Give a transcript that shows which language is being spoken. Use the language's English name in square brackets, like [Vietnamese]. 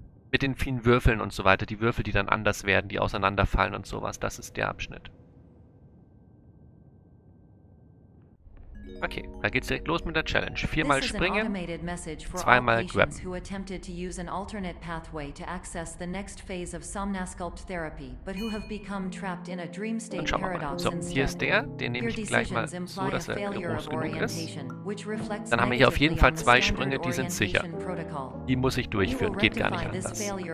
[German] mit den vielen Würfeln und so weiter. Die Würfel, die dann anders werden, die auseinanderfallen und sowas. Das ist der Abschnitt. Okay, da geht's direkt los mit der Challenge. Viermal springen, zweimal grabben. [English] Who attempted to use an alternate pathway to access the next phase of Somnasculpt therapy, but who have become trapped in a dream state paradox. [German] So, hier ist der, den nehme ich gleich mal so, dass er groß genug ist. Dann haben wir hier auf jeden Fall zwei Sprünge, die sind sicher. Die muss ich durchführen, geht gar nicht anders.